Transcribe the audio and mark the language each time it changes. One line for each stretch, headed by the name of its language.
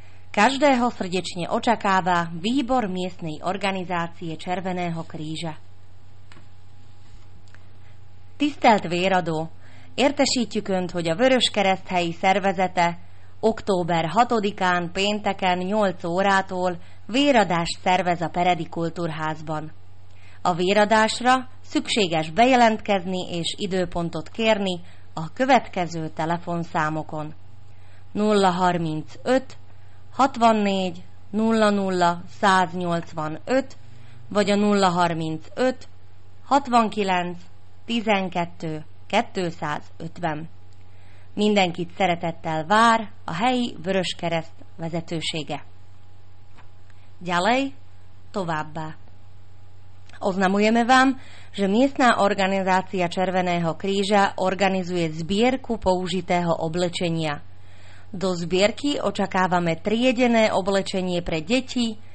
Slovak: Každého srdečne očakáva výbor miestnej organizácie Červeného kríža.
Hungarian: Tisztelt véradó, értesítjük Önt, hogy a Vöröskereszt helyi szervezete október 6-án pénteken 8 órától véradást szervez a Peredi Kultúrházban. A véradásra szükséges bejelentkezni és időpontot kérni a következő telefonszámokon. 035 64 00 185 vagy a 035 69 12 250. Mindenkit szeretettel vár a helyi Vöröskereszt vezetősége.
Slovak: Ďalej,
Hungarian: továbbá.
Slovak: Oznamujeme vám, že miestna organizácia Červeného kríža organizuje zbierku použitého oblečenia. Do zbierky očakávame triedené oblečenie pre deti,